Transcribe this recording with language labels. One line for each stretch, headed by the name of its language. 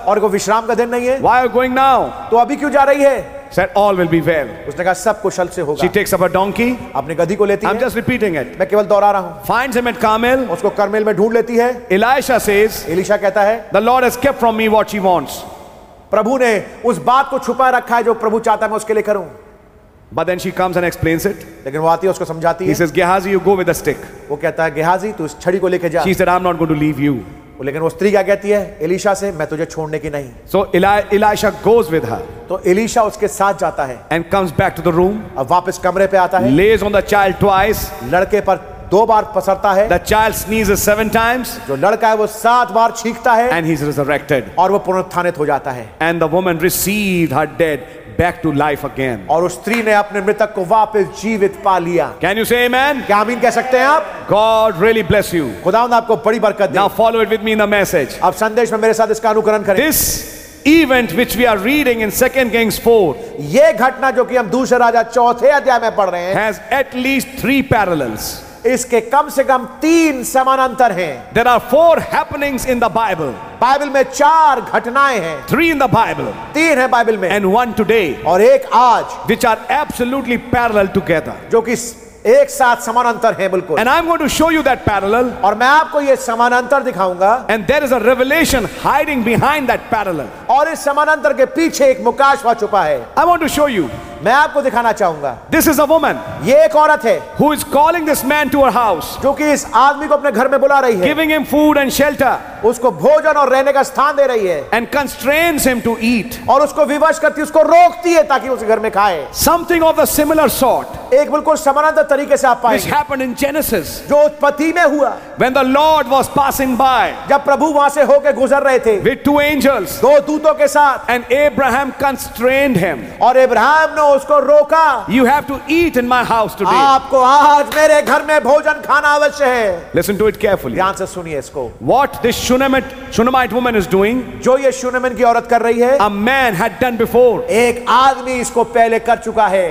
Hindi: और को विश्राम का दिन नहीं है.
English: Why are you going now?
Hindi: तो अभी क्यों जा रही है?
English: Said all will be well.
Hindi: उसने कहा सब कुशल से होगा.
English: She takes up a donkey.
Hindi: अपने गधी को लेती है.
English: I'm just repeating it.
Hindi: मैं केवल दोहरा रहा हूँ.
English: Finds him at Carmel.
Hindi: उसको करमेल में ढूंढ लेती है.
English: Elisha says.
Hindi: एलिशा कहता है.
English: The Lord has kept from me what she wants.
Hindi: प्रभु ने उस बात को छुपा रखा है जो प्रभु चाहता है मैं उसके लिए करूं.
English: But then she comes and explains it.
Hindi: लेकिन वो आती है उसको समझाती है.
English: He says, Gehazi, you go with the stick.
Hindi: वो कहता है गेहाजी तू इस छड़ी को लेकर जा.
English: She said, I'm not going to leave you.
Hindi: लेकिन वो स्त्री क्या कहती है एलिशा से मैं तुझे छोड़ने की नहीं.
English: So Elisha goes with her.
Hindi: तो एलिशा उसके साथ जाता है.
English: And comes back to the room.
Hindi: अब वापस कमरे पे आता है.
English: Lays on the child twice.
Hindi: लड़के पर दो बार पसरता है.
English: The child sneezes seven times.
Hindi: जो लड़का है वो सात बार छींकता है.
English: And he's resurrected.
Hindi: और वो पुनरुत्थानित हो जाता है.
English: And the woman received her dead back to life again.
Hindi: और उस स्त्री ने अपने मृतक को वापस जीवित पा लिया.
English: Can you say amen?
Hindi: क्या आमीन कह सकते हैं आप?
English: God really bless you.
Hindi: खुदावंद आपको बड़ी बरकत दे.
English: Now follow it with me in the message.
Hindi: अब संदेश में मेरे साथ इसका अनुकरण करें.
English: This event which we are reading in 2 Kings 4.
Hindi: ये घटना जो कि हम दूसरे राजा चौथे अध्याय में पढ़ रहे हैं.
English: Has at least 3 parallels.
Hindi: इसके कम से कम 3 समानांतर हैं.
English: There are 4 happenings in the Bible.
Hindi: Bible में 4 घटनाएं हैं.
English: 3 in the Bible.
Hindi: 3 है बाइबल में.
English: And 1 today.
Hindi: और एक आज.
English: Which are absolutely parallel together.
Hindi: जो कि एक साथ समानांतर है बिल्कुल.
English: And I'm going to show you that parallel.
Hindi: और मैं आपको ये समानांतर दिखाऊंगा.
English: And there is a revelation hiding behind that parallel.
Hindi: और इस समानांतर के पीछे एक मुकाशवा छुपा है.
English: I want to show you.
Hindi: मैं आपको दिखाना चाहूंगा.
English: This is a woman.
Hindi: ये एक औरत है.
English: Who is calling this man to her house.
Hindi: जो कि इस आदमी को अपने घर में बुला रही है.
English: Giving him food and shelter.
Hindi: उसको भोजन और रहने का स्थान दे रही है.
English: And constrains him to eat.
Hindi: और उसको विवश करती है, उसको रोकती है ताकि उसे घर में खाए.
English: Something of a similar sort.
Hindi: एक बिल्कुल समानांतर तरीके से आप पाएंगे.
English: This happened in Genesis.
Hindi: जो उत्पत्ति में हुआ.
English: When the Lord was passing by.
Hindi: जब प्रभु वहां से होकर गुजर रहे थे.
English: With 2 angels.
Hindi: दो दूतों के साथ.
English: And Abraham constrained him.
Hindi: और अब्राहम ने उसको रोका.
English: You have to eat in my house today.
Hindi: आपको आज मेरे घर में भोजन खाना अवश्य है.
English: Listen to it carefully.
Hindi: ध्यान से सुनिए इसको.
English: What this Shunammite woman is doing.
Hindi: जो ये शुनमन की औरत कर रही है.
English: A man had done before.
Hindi: एक आदमी इसको पहले कर चुका है.